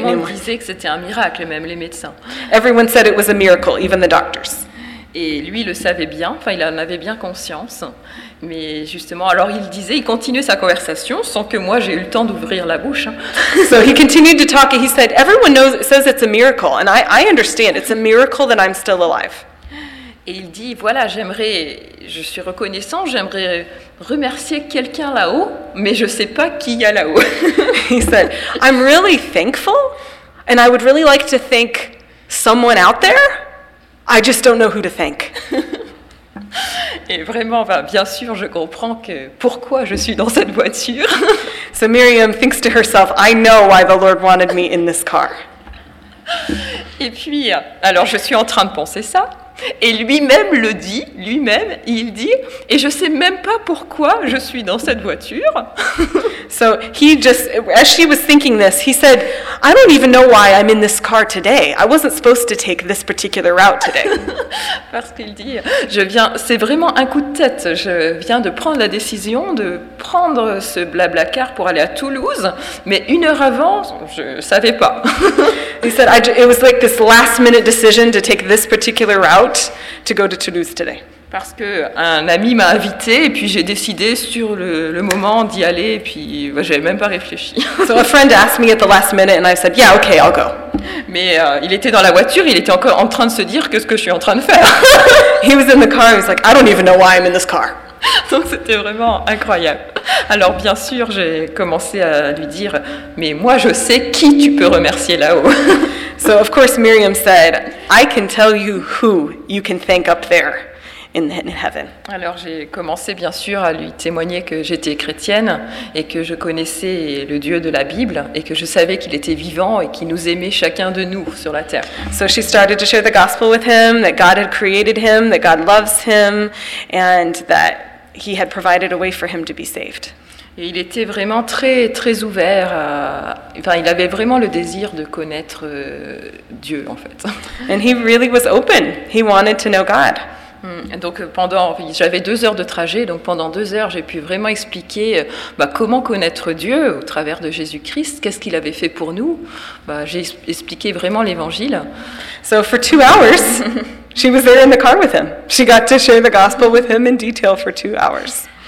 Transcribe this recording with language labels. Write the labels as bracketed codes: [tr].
[fr] tout le monde disait que c'était un miracle, même les médecins. [en] Everyone said it was a miracle, even the doctors. [fr] Et lui le savait bien, enfin il en avait bien conscience. Mais justement, alors il disait, il continuait sa conversation sans que moi j'ai eu le temps d'ouvrir la bouche. [en] So he continued to talk and he said, everyone knows, says it's a miracle. And I understand, it's a miracle that I'm still alive. [fr] Et il dit, voilà, je suis reconnaissant, j'aimerais remercier quelqu'un là-haut, mais je ne sais pas qui il y a là-haut. [en] He said, I'm really thankful, and I would really like to thank someone out there, I just don't know who to thank. [fr] Et vraiment, bien sûr, je comprends que pourquoi je suis dans cette voiture. [en] So Miriam thinks to herself, I know why the Lord wanted me in this car. [fr] Et puis, alors je suis en train de penser ça. Et lui-même le dit, lui-même, il dit, et je ne sais même pas pourquoi je suis dans cette voiture. [en] So he just, as she was thinking this, he said, I don't even know why I'm in this car today. I wasn't supposed to take this particular route today. [fr] Parce qu'il dit, je viens, c'est vraiment un coup de tête. Je viens de prendre la décision de prendre ce blabla car pour aller à Toulouse, mais une heure avant, je savais pas. [en] He said, it was like this last minute decision to take this particular route to go to Toulouse today. [fr] Parce qu'un ami m'a invité et puis j'ai décidé sur le moment d'y aller et puis bah, j'avais même pas réfléchi. [en] So a friend asked me at the last minute and I said, yeah, okay, I'll go. [fr] Mais il était dans la voiture, il était encore en train de se dire qu'est-ce que je suis en train de faire. [en] He was in the car, he was like, I don't even know why I'm in this car. [fr] Donc c'était vraiment incroyable. Alors bien sûr, j'ai commencé à lui dire, mais moi je sais qui tu peux remercier là-haut. [en] So of course Miriam said, I can tell you who you can thank up there. In heaven. [fr] Alors j'ai commencé bien sûr à lui témoigner que j'étais chrétienne et que je connaissais le Dieu de la Bible et que je savais qu'il était vivant et qu'il nous aimait chacun de nous sur la terre. [en] So she started to share the gospel with him, that God had created him, that God loves him, and that he had provided a way for him to be saved. [fr] Et il était vraiment très très ouvert à... enfin il avait vraiment le désir de connaître Dieu en fait. [en] And he really was open. He wanted to know God. [fr] Donc pendant, j'avais 2 heures de trajet, donc pendant 2 heures j'ai pu vraiment expliquer bah, comment connaître Dieu au travers de Jésus-Christ, qu'est-ce qu'il avait fait pour nous, bah, j'ai expliqué vraiment l'évangile. [en] So for 2 hours, she was there in the car with him. She got to share the gospel with him in detail for 2 hours.